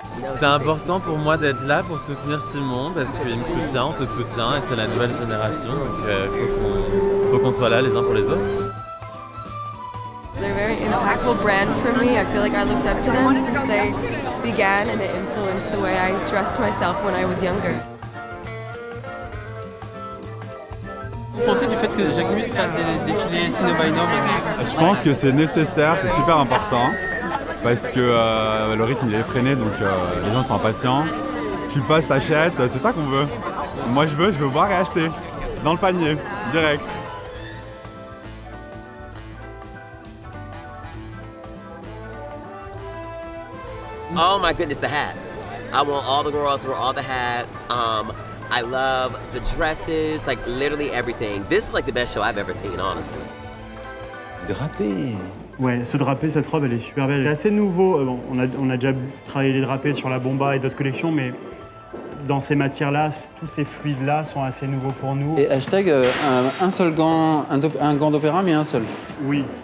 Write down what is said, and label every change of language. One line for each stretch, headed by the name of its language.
French: C'est important pour moi d'être là pour soutenir Simon parce qu'il me soutient, on se soutient et c'est la nouvelle génération, donc faut qu'on soit là les uns pour les autres.
English: They're a very impactful brand for me. I feel like I looked up to them since they began and it influenced the way I dressed myself when I was younger.
French: pensez du fait que Jacquemus fasse des défilés Sino by Nob? Je pense que c'est nécessaire, c'est super important. Parce que le rythme il est effréné, donc les gens sont impatients. Tu passes, t'achètes, c'est ça qu'on veut. Moi je veux voir et acheter. Dans le panier, direct.
English: Oh my goodness, the hats. I want all the girls to wear all the hats. I love the dresses, like literally everything. This is like the best show I've ever seen, honestly.
French: Drapé. Ouais, se draper cette robe, elle est super belle. C'est assez nouveau. Bon, on a déjà travaillé les drapés sur la Bomba et d'autres collections, mais dans ces matières-là, tous ces fluides-là sont assez nouveaux pour nous. Et hashtag un seul gant, un gant d'opéra, mais un seul. Oui.